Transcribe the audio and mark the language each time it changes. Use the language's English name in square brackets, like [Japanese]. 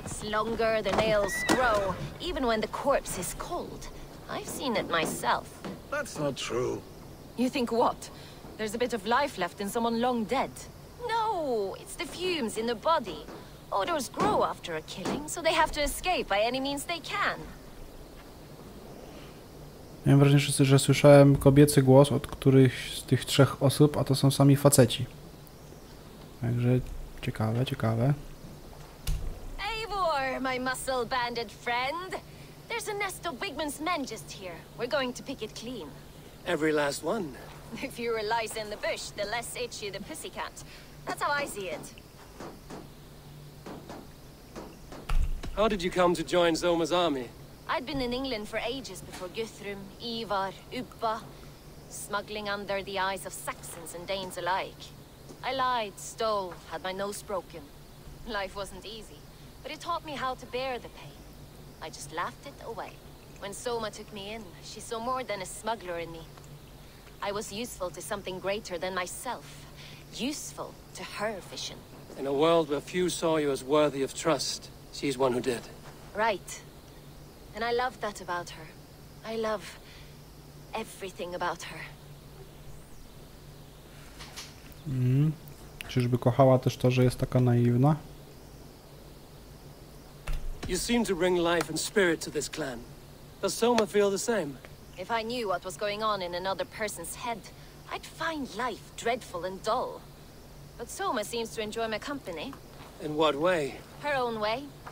[English] Longer the nails grow, even when the corpse is cold. I've seen it myself. That's not true. You think what? There's a bit of life left in someone long dead. No, it's the fumes in the body. Odors grow after a killing, so they have to escape by any means they can. [Polish] Miałem wrażenie, że słyszałem kobiecy głos od którychś z tych trzech osób, a to są sami faceci. Także ciekawe, ciekawe. [English] Eivor, my muscle banded friend. There's a nest of Wigman's men just here. We're going to pick it clean. Every last one. The fewer lies in the bush, the less itchy the pussycat. That's how I see it. How did you come to join Zoma's army? I'd been in England for ages before Guthrum, Ivar, Ubba, smuggling under the eyes of Saxons and Danes alike. I lied, stole, had my nose broken. Life wasn't easy, but it taught me how to bear the pain. I just laughed it away. When Soma took me in, she saw more than a smuggler in me. I was useful to something greater than myself. Useful to her vision. In a world where few saw you as worthy of trust, she's one who did. Right. And I love that about her. I love everything about her. [Polish] Czyżby kochała też to, że jest taka naiwna? [English] You seem to bring life and spirit to this clan. Does Soma feel the same? If I knew what was going on in another person's head, I'd find life dreadful and dull. But Soma seems to enjoy my company. In what way? Her own way.